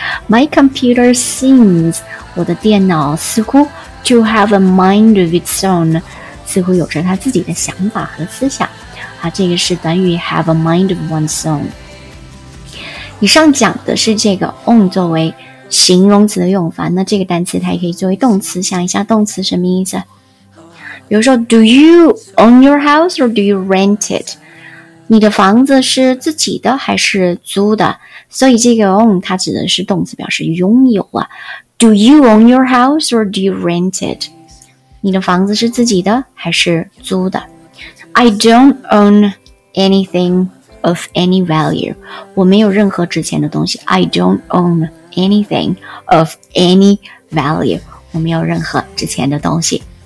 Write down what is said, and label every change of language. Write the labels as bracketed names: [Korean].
[English] My computer seems， [Chinese] 我的电脑似乎 [English] to have a mind of its own， [Chinese] 似乎有着他自己的想法和思想。好，这个是短语 have a mind of one's own。以上讲的是这个 own 作为形容词的用法，那这个单词它也可以作为动词，想一下动词什么意思。比如说 [English] Do you own your house or do you rent it? [Chinese] 你的房子是自己的还是租的？所以这个 own 它指的是动词，表示拥有啊。 [English] Do you own your house or do you rent it? [Chinese] 你的房子是自己的还是租的？ [English] I don't own anything of any value， [Chinese] 我没有任何值钱的东西。 [English] I don't ownanything of any value， [Chinese] 我没有任何值钱的东西。